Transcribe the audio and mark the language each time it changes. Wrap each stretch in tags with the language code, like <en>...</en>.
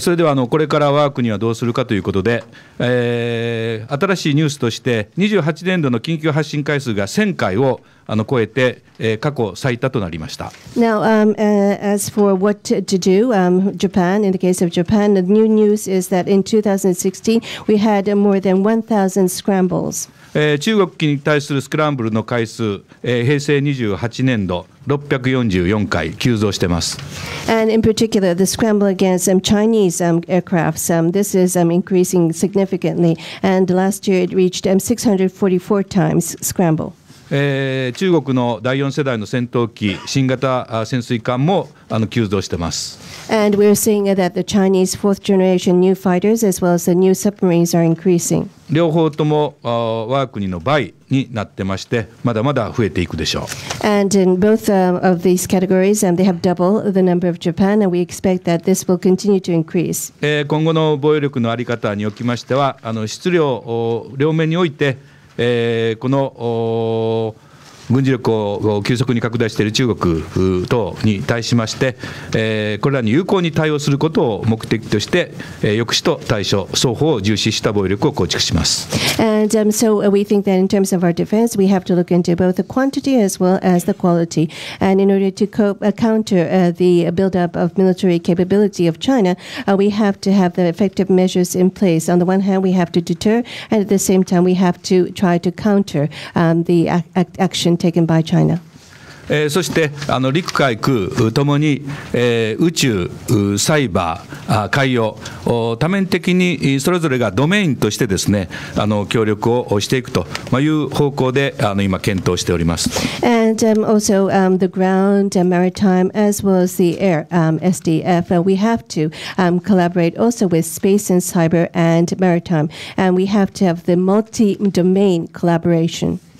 <ja>それではこれから我が国はどうするかということで、新しいニュースとして28年度の緊急発進回数が1000回を超えて過去最多となりました。</ja> <en>Now, as for what to do, Japan, in the case of Japan, the new news is that in 2016, we had more than 1,000 scrambles.</en> <ja>中国機に対するスクランブルの回数、平成28年度644回急増してます。</ja> <en>And in particular, the scramble against Chinese aircrafts, this is increasing significantly. And last year, it reached 644 times scramble.</en> <ja>中国の第4世代の戦闘機、新型潜水艦も急増しています。</ja> <en>And we're seeing that the Chinese fourth generation new fighters as well as the new submarines are increasing.</en> <ja>両方とも我が国の倍になってまして、まだまだ増えていくでしょう。</ja> <en>And in both of these categories, they have double the number of Japan, and we expect that this will continue to increase.</en> <ja>今後の防衛力のあり方におきましては、質量両面において、この軍事力を急速に拡大している中国等に対しまして、これらに有効に対応することを目的として、抑止と対処双方を重視した防衛力を構築します。</ja> <en>And、so we think that in terms of our defense we have to look into both the quantity as well as the quality and in order to cope, counter、the buildup of military capability of China、we have to have the effective measures in place. On the one hand we have to deter and at the same time we have to try to counter、the actionTaken by China.</en> <ja>そして陸海空ともに、宇宙サイバー海洋多面的にそれぞれがドメインとしてですね協力をしていくという方向で今検討しております。</ja> <en>And、also、the ground maritime as well as the air、SDF、we have to、collaborate also with space and cyber and maritime and we have to have the multi-domain collaboration。</en>